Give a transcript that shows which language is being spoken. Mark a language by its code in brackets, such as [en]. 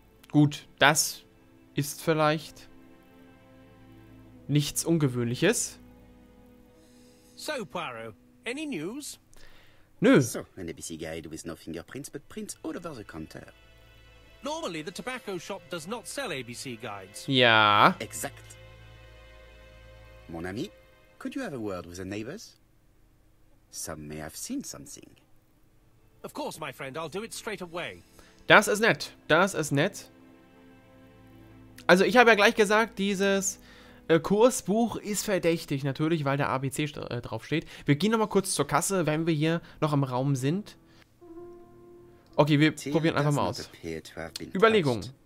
[de] Gut, das ist vielleicht nichts Ungewöhnliches. [en] So, Poirot, any news? [de] Nö. [en] So, an ABC guide with no fingerprints but prints all over the counter. Normally the tobacco shop does not sell ABC guides. [de] Ja. [en] Exact. [fr] Mon ami, [en] could you have a word with the neighbors? Some may have seen something. Of course, my friend, I'll do it straight away. [de] Das ist nett. Das ist nett. Also, ich habe ja gleich gesagt, dieses Kursbuch ist verdächtig, natürlich, weil der ABC draufsteht. Wir gehen nochmal kurz zur Kasse, wenn wir hier noch im Raum sind. Okay, wir probieren einfach mal aus. Überlegung.